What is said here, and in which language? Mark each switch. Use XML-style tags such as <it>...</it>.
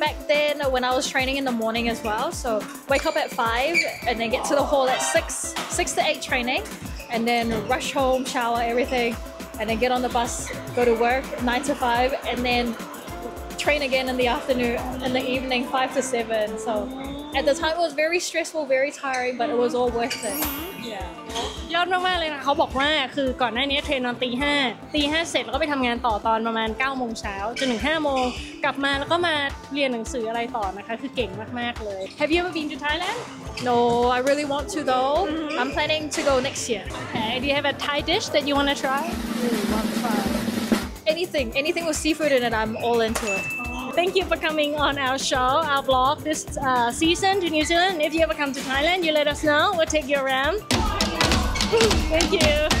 <en>Back then when I was training in the morning as well, so wake up at 5 and then get to the hall at 6 to 8 training and then rush home, shower, everything and then get on the bus, go to work 9 to 5 and then train again in the afternoon, in the evening, 5 to 7. So at the time it was very stressful, very tiring, but it was all worth it.</en> <th>ยอดมากๆเลยนะเขาบอกว่าคือก่อนหน้านี้เทรนนอนตีห้าเสร็จแล้วก็ไปทำงานต่อตอนประมาณ9 โมงเช้าจนถึง5 โมงกลับมาแล้วก็มาเรียนหนังสืออะไรต่อนะคะคือเก่งมากๆเลย</th> <en>Have you ever been to Thailand? No, I really want to though. Mm-hmm. I'm planning to go next year. Okay. Do you have a Thai dish that you want to try? Anything with seafood in it, I'm all into it. Thank you for coming on our show, our vlog this season to New Zealand. If you ever come to Thailand, you let us know. We'll take you around. Thank you.</en>